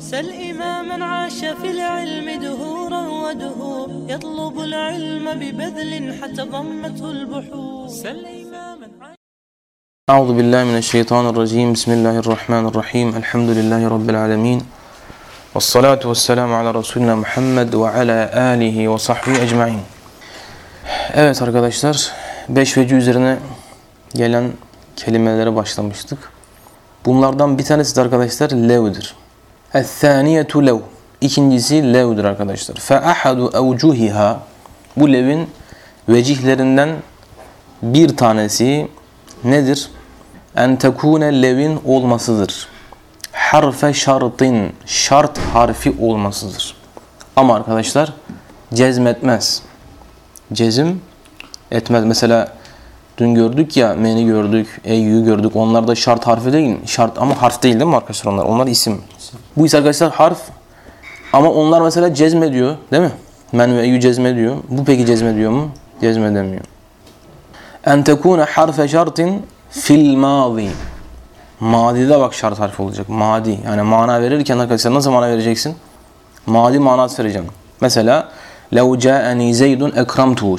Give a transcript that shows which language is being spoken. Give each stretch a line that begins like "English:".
Arabic: سل إماما عاش في العلم دهورا ودهور يطلب العلم ببذل حتى ضمته البحور. سل أعوذ بالله من الشيطان الرجيم. بسم الله الرحمن الرحيم. الحمد لله رب العالمين والصلاة والسلام على رسولنا محمد وعلى آله وصحبه أجمعين.
Turkish: Evet arkadaşlar, 5 vecih üzerine gelen kelimelere başlamıştık. Bunlardan bir tanesi de arkadaşlar levdir.
Arabic: El-thaniyetu lev.
Turkish: İkincisi levdir arkadaşlar.
Arabic: Fe-ahadu evcuhiha.
Turkish: Bu levin vecihlerinden bir tanesi nedir?
Arabic: En tekune
Turkish: levin olmasıdır. Harfe şartın, şart harfi olmasıdır. Ama arkadaşlar cezmetmez. Cezim etmez. Mesela dün gördük ya, meni gördük, eyyü gördük. Onlar da şart harfi değil. Şart ama harf değil değil mi arkadaşlar onlar? Onlar isim. Bu ise arkadaşlar harf. Ama onlar mesela cezmediyor değil mi? Men ve eyyü cezmediyor. Bu peki cezmediyor mu? Cezmedemiyor.
Arabic: En tekune harfe şartın fil mazi.
Turkish: Madide bak şart harfi olacak. Madi. Yani mana verirken arkadaşlar nasıl mana vereceksin? Madi manası vereceğim. Mesela
Arabic: لَوْ جَاءَنِي زَيْدٌ اَكْرَمْتُهُ.